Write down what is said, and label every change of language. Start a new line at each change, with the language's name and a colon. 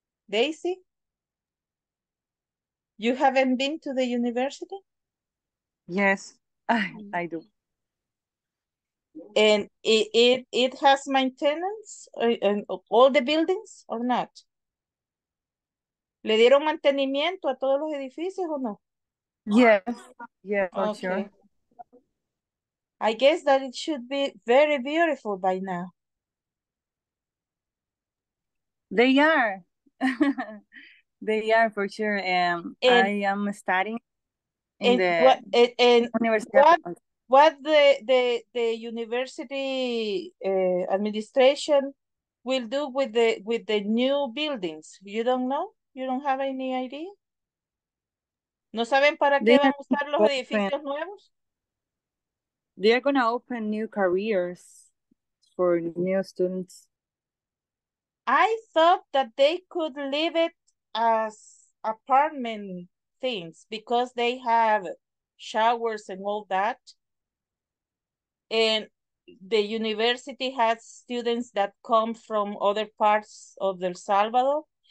English: Daisy? You haven't been to the university? Yes, I do. And it has maintenance in all the buildings or not?
Spanish: ¿Le dieron mantenimiento a todos los edificios o no?
English: Yes, for sure. I guess that it should be very beautiful by now. They are. They are for sure. And I am studying in the university. What the university administration will do with the new buildings? You don't know? You don't have any idea?
Spanish: No saben para qué van a usar los edificios nuevos?
English: They are going to open new careers for new students. I thought that they could leave it as apartment things because they have showers and all that, and the university has students that come from other parts of El Salvador.